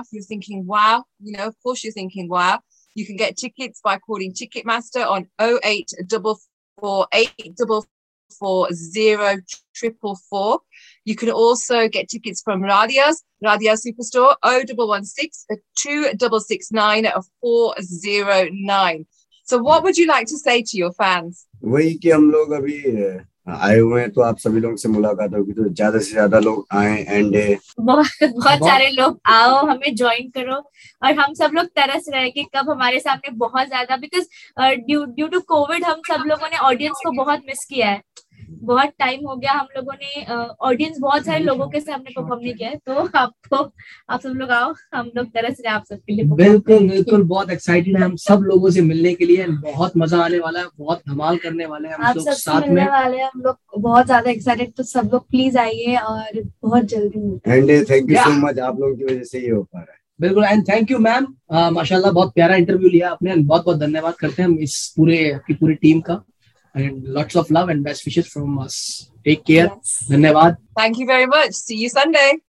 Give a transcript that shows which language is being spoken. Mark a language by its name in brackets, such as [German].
[English] If you're thinking, wow, of course you're thinking, wow. You can get tickets by calling Ticketmaster on 0844 844 0444. You can also get tickets from Radia Superstore, 0116 2669 409. So what would you like to say to your fans? [Hindi] वही कि हम लोग अभी आए हुए हैं, तो आप सभी लोगों से मुलाकात होगी, तो ज्यादा से ज्यादा लोग आए एंड बहुत सारे लोग आओ, हमें ज्वाइन करो, और हम सब लोग तरस रहे कि कब हमारे सामने बहुत ज्यादा, बिकॉज ड्यू टू कोविड हम सब लोगों ने ऑडियंस को बहुत मिस किया है. बहुत टाइम हो गया हम लोगों ने ऑडियंस बहुत सारे लोगों के सामने परफॉर्म नहीं किया, तो आपको, आप सब लोग आओ, हम लोग तरस रहे आप सबके लिए. बिल्कुल बिल्कुल, बहुत एक्साइटेड है हम सब लोगों से मिलने के लिए, बहुत मजा आने वाला है, बहुत धमाल करने वाले हैं हम आप लोग साथ में, वाले हम लोग बहुत ज्यादा एक्साइटेड. तो सब लोग प्लीज आइए और बहुत जल्दी and thank you so much, आप लोगों की वजह से ये हो पा रहा है. बिल्कुल, एंड थैंक यू मैम, माशाल्लाह बहुत प्यारा इंटरव्यू लिया आपने, बहुत बहुत धन्यवाद करते हैं हम इस पूरे की पूरी टीम का. [English] and lots of love and best wishes from us. Take care. Yes. Dhanyavaad. Thank you very much. See you Sunday.